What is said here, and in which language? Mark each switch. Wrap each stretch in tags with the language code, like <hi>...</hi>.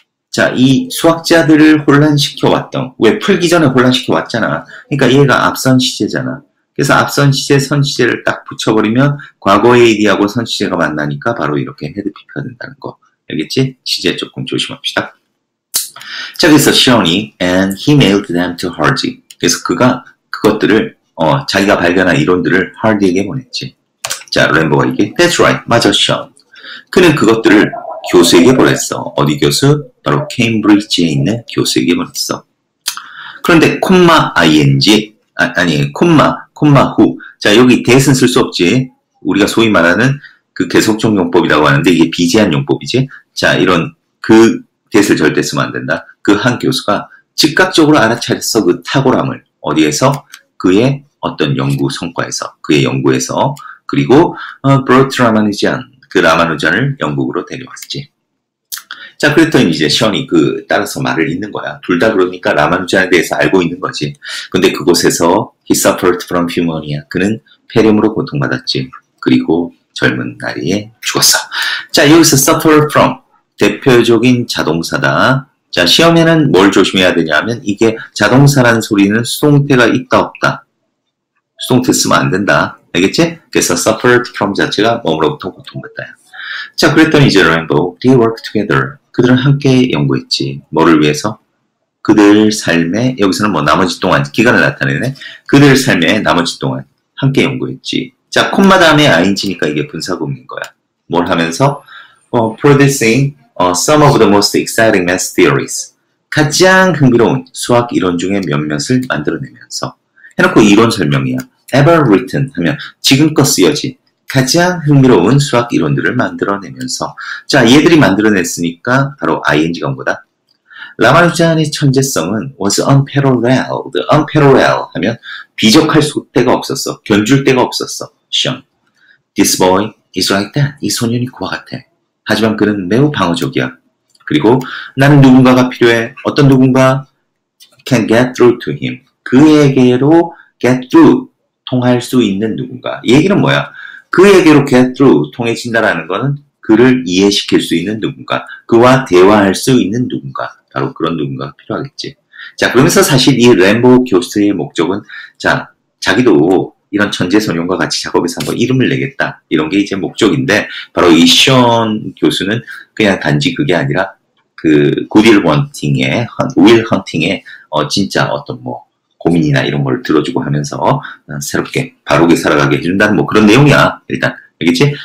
<ko>자, 이 수학자들을 혼란시켜왔던, 왜 풀기 전에 혼란시켜왔잖아. 그러니까 얘가 앞선 시제잖아. 그래서 앞선 시제, 선시제를 딱 붙여버리면 과거 AD하고 선시제가 만나니까 바로 이렇게 헤드 PP가 된다는 거. 알겠지? 시제 조금 조심합시다. 자, 그래서 시온이</ko> <en>and he mailed them to Hardy.</en> <ko>그래서 그가 그것들을 자기가 발견한 이론들을 Hardy에게 보냈지. 자, 램보가 이게</ko> <en>That's right.</en> <ko>맞아, 시온. 그는 그것들을 교수에게 보냈어. 어디 교수? 바로 케임브리지에 있는 교수에게 보냈어. 그런데 콤마 ing 아니 콤마 콤마 후. 자, 여기 that은 쓸 수 없지. 우리가 소위 말하는 그 계속적 용법이라고 하는데 이게 비제한 용법이지. 자, 이런 그 that을 절대 쓰면 안 된다. 그 한 교수가 즉각적으로 알아차렸어. 그 탁월함을. 어디에서? 그의 어떤 연구 성과에서. 그의 연구에서. 그리고</ko> <en>brought Ramanujan.</en> <ko>그 라마누잔을 영국으로 데려왔지. 자, 그랬더니 이제 시언이 그 따라서 말을 읽는 거야. 둘 다 그러니까 라마누잔에 대해서 알고 있는 거지. 근데 그곳에서</ko> <en>he suffered from pneumonia.</en> <ko>그는 폐렴으로 고통받았지. 그리고 젊은 나이에 죽었어. 자, 여기서 suffer from 대표적인 자동사다. 자, 시험에는 뭘 조심해야 되냐면 이게 자동사라는 소리는 수동태가 있다 없다. 수동태 쓰면 안 된다. 알겠지? 그래서 suffered from 자체가 몸으로부터 고통받다야. 자, 그랬더니 이제 Rambo,</ko> <en>they work together.</en> <ko>그들은 함께 연구했지. 뭐를 위해서? 그들 삶에, 여기서는 뭐 나머지 동안, 기간을 나타내네. 그들 삶에 나머지 동안 함께 연구했지. 자, 콤마 다음에 ing니까 이게 분사구문인 거야. 뭘 하면서?</ko> <en>producing some of the most exciting math theories.</en> <ko>가장 흥미로운 수학 이론 중에 몇몇을 만들어내면서. 해놓고 이론 설명이야. ever written 하면 지금껏 쓰여진 가장 흥미로운 수학 이론들을 만들어내면서. 자, 얘들이 만들어냈으니까 바로 ing가 온 거다. 라마누잔의 천재성은</ko> <en>was unparalleled.</en> <ko>unparalleled 하면 비적할 수가 없었어. 견줄 데가 없었어. 시험.</ko> <en>This boy is like that.</en> <ko>이 소년이 그와 같아. 하지만 그는 매우 방어적이야. 그리고 나는 누군가가 필요해. 어떤 누군가</ko> <en>can get through to him.</en> <ko>그에게로 get through. 통할 수 있는 누군가. 이 얘기는 뭐야? 그에게로 get through, 통해진다라는 것은 그를 이해시킬 수 있는 누군가, 그와 대화할 수 있는 누군가, 바로 그런 누군가가 필요하겠지. 자, 그러면서 사실 이 램보 교수의 목적은, 자, 자기도 이런 천재소년과 같이 작업해서 한번 이름을 내겠다, 이런 게 이제 목적인데, 바로 이 션 교수는 그냥 단지 그게 아니라 그 good wanting의 will hunting의 진짜 어떤 뭐 고민이나 이런 걸 들어주고 하면서 새롭게 바르게 살아가게 해준다는 뭐 그런 내용이야. 일단 알겠지?</ko>